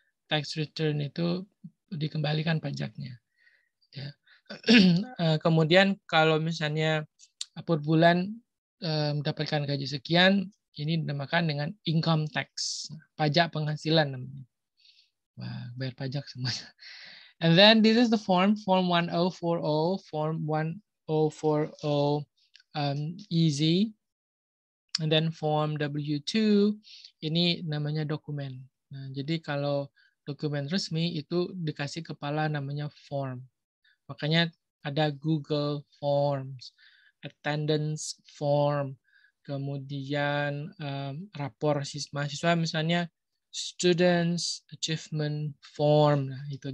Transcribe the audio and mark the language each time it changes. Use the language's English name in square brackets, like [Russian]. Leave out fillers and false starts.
[Indonesian] Tax return itu dikembalikan pajaknya. Ya. Kemudian kalau misalnya per bulan mendapatkan gaji sekian, ini dinamakan dengan income tax, pajak penghasilan. Wah, bayar pajak semuanya. [English] And then this is the form, form 1040, form 1040 easy. And then form W2, [Indonesian] ini namanya dokumen. Nah, jadi kalau dokumen resmi itu dikasih kepala namanya form. Makanya ada Google Forms, [English] attendance form, [Indonesian] kemudian rapor mahasiswa misalnya [English] students achievement form. [Indonesian] Nah, itu.